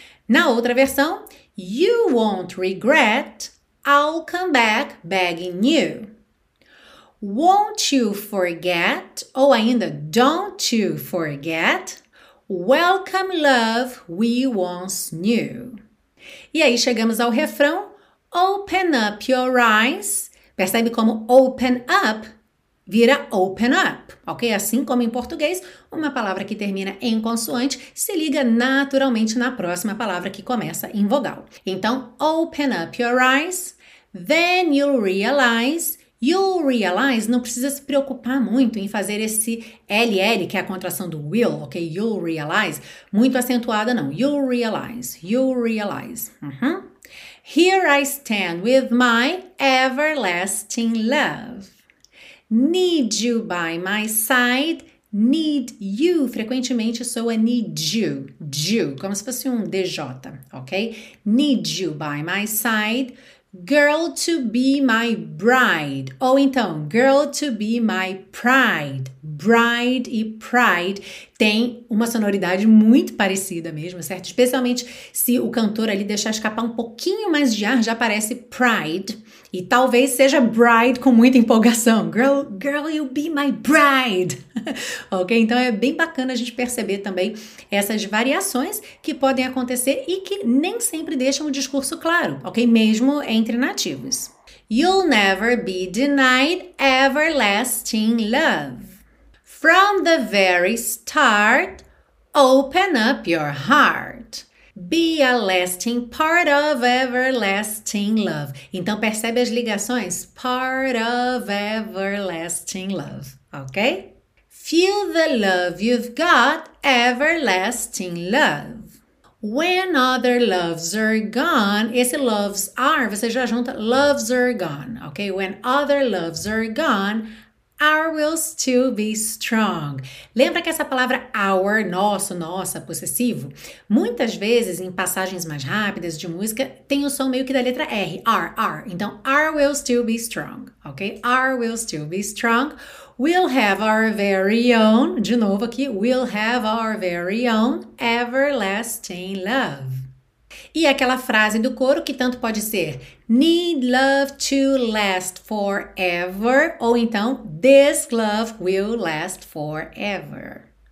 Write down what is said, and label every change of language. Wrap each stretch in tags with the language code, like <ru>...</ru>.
<pt>Na outra versão,</pt> <en>you won't regret, I'll come back begging you. Won't you forget,</en> <pt>ou ainda,</pt> <en>don't you forget, welcome love we once knew.</en> <pt>E aí chegamos ao refrão,</pt> <en>open up your eyes.</en> <pt>Percebe como open up vira open up, ok? Assim como em português, uma palavra que termina em consoante se liga naturalmente na próxima palavra que começa em vogal.</pt> <en>Então, open up your eyes, then you'll realize. You'll realize,</en> <pt>não precisa se preocupar muito em fazer esse LL, que é a contração do will, ok?</pt> <en>You'll realize,</en> <pt>muito acentuada não.</pt> <en>You'll realize. Uhum. Here I stand with my everlasting love. Need you by my side, need you,</en> <pt>frequentemente soa</pt> <en>need you,</en> <pt>como se fosse um DJ, ok?</pt> <en>Need you by my side, girl to be my bride,</en> <pt>ou então,</pt> <en>girl to be my pride, bride e pride,</en> <pt>tem uma sonoridade muito parecida mesmo, certo? Especialmente se o cantor ali deixar escapar um pouquinho mais de ar, já parece pride. E talvez seja bride com muita empolgação.</pt> <en>Girl, you'll be my bride.</en> <pt>Ok? Então é bem bacana a gente perceber também essas variações que podem acontecer e que nem sempre deixam o discurso claro, ok? Mesmo entre nativos.</pt> <en>You'll never be denied everlasting love. From the very start, open up your heart. Be a lasting part of everlasting love.</en> <pt>Então, percebe as ligações?</pt> <en>Part of everlasting love, ok? Feel the love you've got, everlasting love. When other loves are gone, esse loves are,</en> <pt>você já junta</pt> <en>loves are gone, ok? When other loves are gone, our will still be strong.</en> <pt>Lembra que essa palavra our, nosso, nossa, possessivo? Muitas vezes, em passagens mais rápidas de música, tem o som meio que da letra R, R.</pt> <en>Então, our will still be strong, ok? Our will still be strong. We'll have our very own,</en> <pt>de novo aqui,</pt> <en>we'll have our very own everlasting love.</en> <pt>E aquela frase do coro que tanto pode ser</pt> <en>need love to last forever,</en> <pt>ou então</pt> <en>this love will last forever.</en>